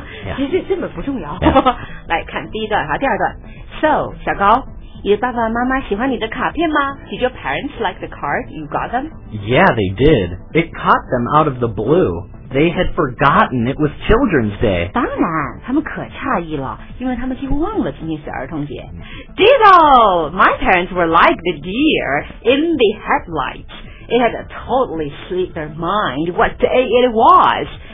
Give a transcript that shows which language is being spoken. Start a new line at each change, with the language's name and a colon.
Chinese: 对,把心意表达以后呢,就怎么样了。其实根本不重要。来,看第一段,第二段。 So, 小高, 你的爸爸妈妈喜欢你的卡片吗?
English: Did your parents like the card you got them? Yeah, they did. It caught them out of the blue. They had forgotten it was Children's Day.
Chinese: 当然,他们可诧异了,因为他们几乎忘了今天是儿童节。
English: Ditto! My parents were like the deer in the headlights. It had totally slipped their mind what day it was.